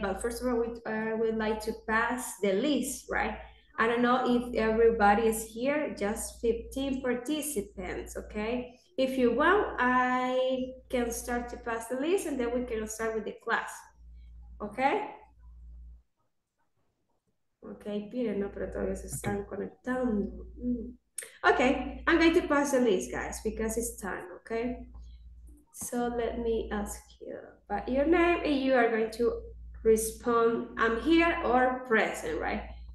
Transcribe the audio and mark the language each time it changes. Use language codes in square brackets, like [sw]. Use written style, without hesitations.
[en] But first of all, we'd like to pass the list, right? I don't know if everybody is here, just 15 participants, okay? If you want, I can start to pass the list and then we can start with the class, okay? [es] Okay, Peter, no, pero todavía se están conectando. [en] Okay, I'm going to pass the list, guys, because it's time, okay? So let me ask you about your name and you are going to respond, I'm here or present, right?